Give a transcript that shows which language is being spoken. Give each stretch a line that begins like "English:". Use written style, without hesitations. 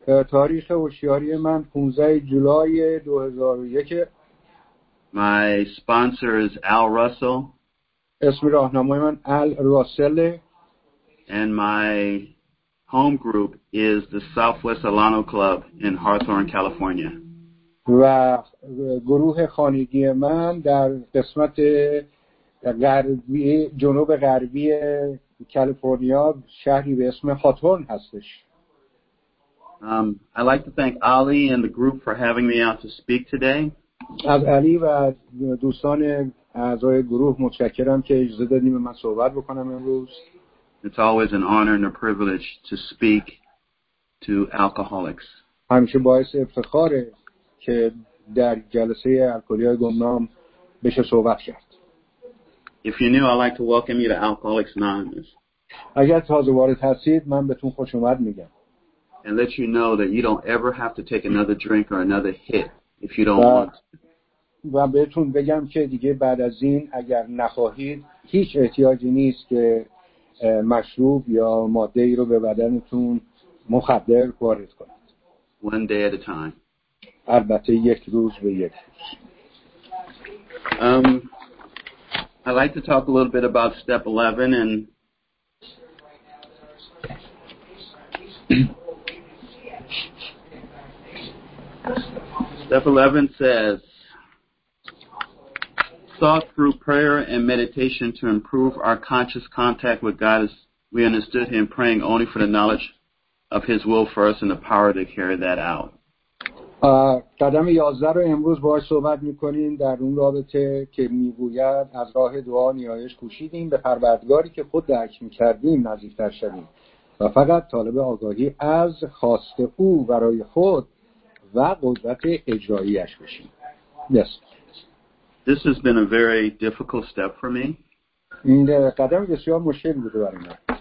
Persian: تاریخ هوشیاری من 15 جولای 2001.
English: My sponsor is Al Russell.
Persian: اسم راهنمای من آل راسل.
English: And my home group is the Southwest Alano Club in Hawthorne, California.
Persian: و گروه خانگی من در قسمت غربی جنوب غربی کالیفرنیا، شهری به اسم هاتورن هستش.
English: I'd like to thank Ali and the group for having me out to speak today.
Persian: از علی و دوستان اعضای گروه متشکرم که اجازه دادیم من صحبت بکنم امروز.
English: It's always an honor and a privilege to speak to alcoholics.
Persian: همیشه باعث افتخاره که در جلسه الکلی‌های گمنام بشه صحبت کرد.
English: If you're new, I'd like to welcome you to Alcoholics Anonymous.
Persian: اگر تازه وارد هستید، من بهتون خوش اومد میگم.
English: And let you know that you don't ever have to take another drink or another hit if you don't want.
Persian: و بهتون بگم که دیگه بعد از این اگر نخواهید هیچ احتیاجی نیست که مشروب یا ماده ای رو به بدنتون مخدر وارد کنید.
English: One day at a time.
Persian: البته یک روز به یک روز.
English: I'd like to talk a little bit about step 11 and Step 11 says, thought through prayer and meditation to improve our conscious contact with God as we understood him, praying only for the knowledge of his will for us and the power to carry that out.
Persian: قدم 11 رو امروز باهاش صحبت می‌کنیم در اون رابطه که می‌گوید از راه دعا نیایش کوشیدیم به پروردگاری که خود درک می‌کردیم نزدیک‌تر شدیم و فقط طالب آگاهی از خواست او برای خود و قدرت اجراییش بشیم.
English: Yes. This has been a very difficult step for me.
Persian: این قدم بسیار مشکلی بوده برای من.